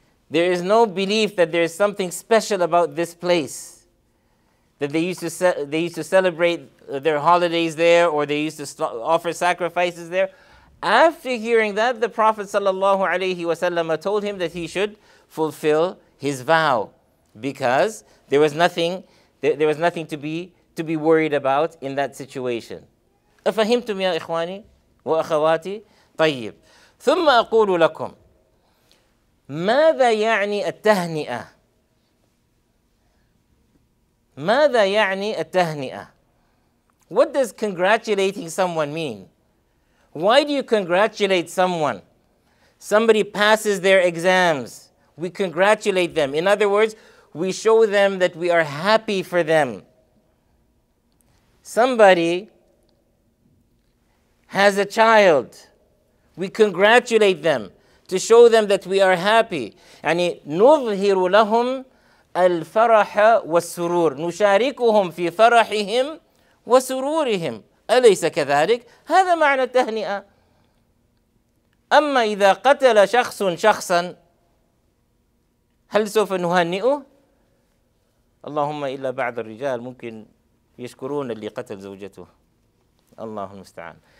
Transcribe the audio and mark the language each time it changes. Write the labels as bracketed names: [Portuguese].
[English] There is no belief that there is something special about this place, that they used to celebrate their holidays there, or they used to offer sacrifices there. After hearing that, the Prophet sallallahu alayhi wasallam told him that he should fulfill his vow because there was nothing to be worried about in that situation. [Arabic] أفهمتم يا إخواني وأخواتي؟ طيب. ثم أقول لكم ماذا يعني التهنئة؟ ماذا يعني التهنئة؟ [English] What does congratulating someone mean? Why do you congratulate someone? Somebody passes their exams. We congratulate them. In other words, we show them that we are happy for them. Somebody has a child. We congratulate them to show them that we are happy. [Arabic] يعني نظهر لهم الفرح والسرور. نشاركهم في فرحهم وسرورهم أليس كذلك؟ هذا معنى التهنئة. أما إذا قتل شخص شخصا هل سوف نهنئه؟ اللهم إلا بعض الرجال ممكن يشكرون اللي قتل زوجته، الله المستعان.